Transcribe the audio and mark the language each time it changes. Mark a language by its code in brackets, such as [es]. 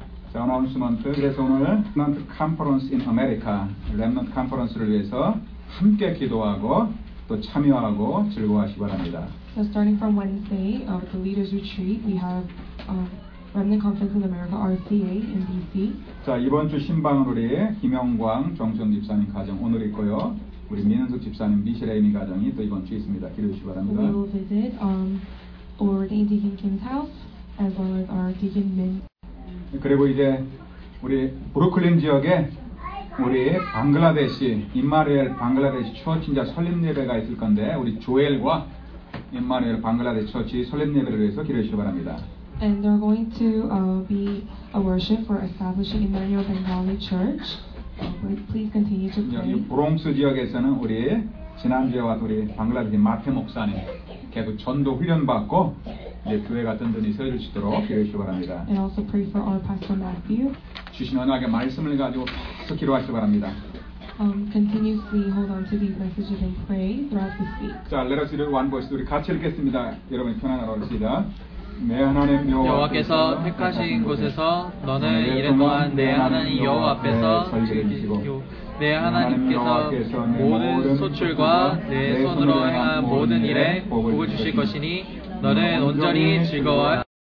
[ko] 자, 어나운스먼트. 그래서 오늘 Remnant Conference in America, Remnant Conference를 위해서 함께 기도하고 또 참여하고 즐거워하시기 바랍니다. [en] So starting from Wednesday of the Leaders Retreat, we have Remnant Conference in America, RCA in DC. [ko] 자, 이번 주 신방은 우리 김영광, 정수현 집사님 가정 오늘 있고요. 우리 민은숙 집사님 미셸 에이미 가정이 또 이번 주 있습니다. 기도해 주시기 바랍니다. [en] We will visit our Deacon Kim's house as well as our Deacon Min. [ko] 그리고 이제 우리 브루클린 지역에 우리 방글라데시 임마누엘 방글라데시 처치자 설립 예배가 있을 건데 우리 조엘과 임마누엘 방글라데시 처치 설립 예배를 위해서 기도해 주시기 바랍니다. [en] And they're going to be a worship for establishing Emmanuel Bengali Church. Please continue to pray. [ko] 여기 브롱스 지역에서는 우리 지난주와 우리 방글라데시 마테 목사님 계속 전도 훈련 받고 이제 교회가 든든히 서 줄 수 있도록 기도해 주시기 바랍니다. [en] And also pray for our Pastor Matthew. [ko] 주신 언약의 말씀을 가지고 계속 기도하시기 바랍니다. [en] Continuously hold on to these messages and pray throughout this week. 자, let us read one voice. [ko] 우리 같이 읽겠습니다. 여러분 편안하게 읽습니다. 내 하나님 여호와께서 택하신 곳에서 너는 이랫동안 내 하나님 여호와 앞에서 즐기시고 내 하나님께서 모든 소출과 내 손으로 행한 모든 일에 복을 주실 것이니 너는 온전히 즐거워하라.